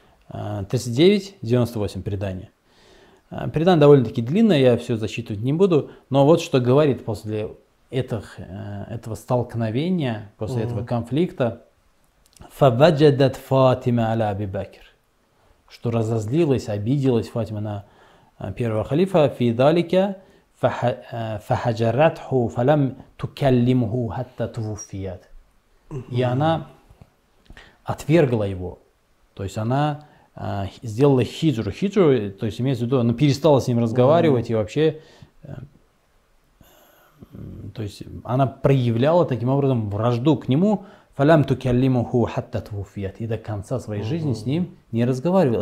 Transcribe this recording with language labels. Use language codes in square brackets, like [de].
[ru] 3998 предание. Предание довольно-таки длинное, я все зачитывать не буду, но вот что говорит после этого столкновения, после этого конфликта. [ar] فَوَجَدَتْ فَاتِمَ عَلَى أَبِي بَكِرِ [ru] Что разозлилась, обиделась Фатима на первого халифа. [ar] فِي ذَلِكَ فَحَجَرَتْهُ فَلَمْ تُكَلِّمْهُ حَتَّى تُوُفِّيَتْ [ru] И она отвергла его. То есть она сделала хиджру. Хиджру, то есть имеется в виду, она перестала с ним разговаривать и вообще... То есть она проявляла таким образом вражду к нему. [ar] فَلَمْ تُكَلِّمُهُ حَتَّى تُوُفِيَتْ [ru] И до конца своей жизни с ним не разговаривал.